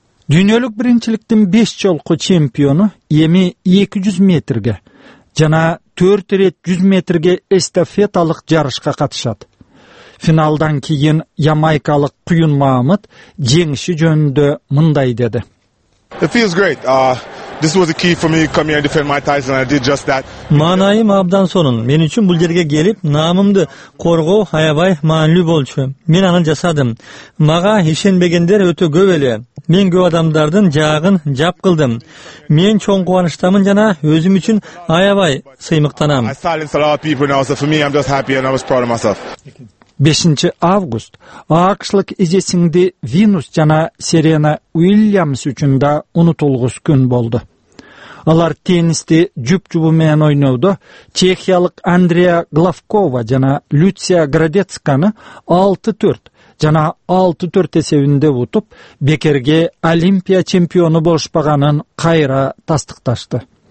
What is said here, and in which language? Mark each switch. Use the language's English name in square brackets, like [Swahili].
[Kyrgyz] Дүйнөлүк биринчиликтин 5 жолку чемпиону эми 200 метрге жана 4 ирет 100 метрге эстафеталык жарышка катышат. Финалдан кийин ямайкалык Куюн Маамыт жеңиши жөнүндө мындай деди. [English] It feels great. This was the key for me come here and defend my title and I did just that. [Kyrgyz] Маанайым абдан сонун. Мен үчүн бул жерге келип, наамымды коргоо аябай маанилүү болчу. Мен аны жасадым. Мага ишенбегендер өтө көп эле. Мен көп адамдардын жагын жап кылдым. Мен чоң кубанычтамын жана өзүм үчүн аябай сыймыктанам. [English] I silenced a lot of people now, so for me I'm just happy and I was proud of myself. [Kyrgyz] 5 август АКШлык эжесиңди Винус жана Серена Уильямс үчүн да унутулгус күн болду. Алар теннисти жүп-жубу менен ойноодо чехиялык Андрея Главкова жана Люция Градецканы 6-4 жана 6-4 эсебинде утуп, бекерге олимпия чемпиону болушпаганын кайра тастыкташты.